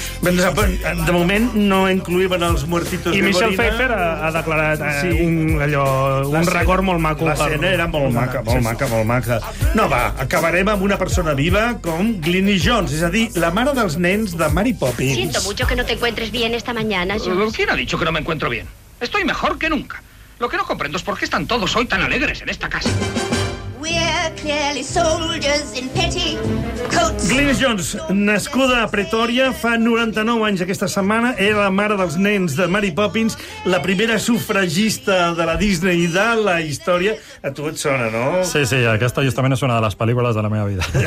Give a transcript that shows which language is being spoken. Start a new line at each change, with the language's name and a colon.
Catalan: De moment no incluïven els muertitos de Gorina. I Michelle Pfeiffer ha declarat un record molt maco. L'escena era molt maca. No, va, acabaré amb una persona viva com Glynny Jones, és a dir, la mare dels nens de Mary Poppins.
Spanish: Siento mucho que no te encuentres bien esta mañana, Jones. ¿Quién ha dicho que no me encuentro bien? Estoy mejor que nunca. Lo que no comprendo es por qué están todos hoy tan alegres en esta casa.
Catalan: Glynny Jones, nascuda a Pretoria, fa 99 anys aquesta setmana, era la mare dels nens de Mary Poppins, la primera sufragista de la Disney i de la història. A tu et sona, no? Sí, sí, aquesta justament és una de les pel·lícules de la meva vida.